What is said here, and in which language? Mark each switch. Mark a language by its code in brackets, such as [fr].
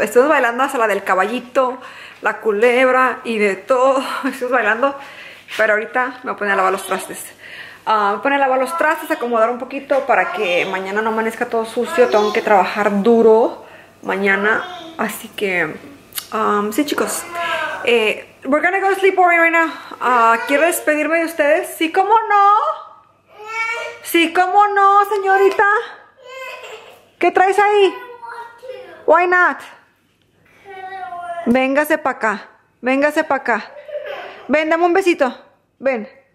[es] Estuvimos bailando hasta la del caballito, la culebra y de todo. Estuvimos bailando, pero ahorita me voy a poner a lavar los trastes. Me voy a poner a lavar los trastes, acomodar un poquito para que mañana no amanezca todo sucio. Tengo que trabajar duro mañana, así que sí, chicos. [en] We're gonna go to sleep right now. [es] Quiero despedirme de ustedes. Sí, ¿cómo no? Sí, ¿cómo no, señorita? ¿Qué traes ahí? [en] Why not? [es] Véngase para acá. Véngase para acá. Ven, dame un besito. Ven.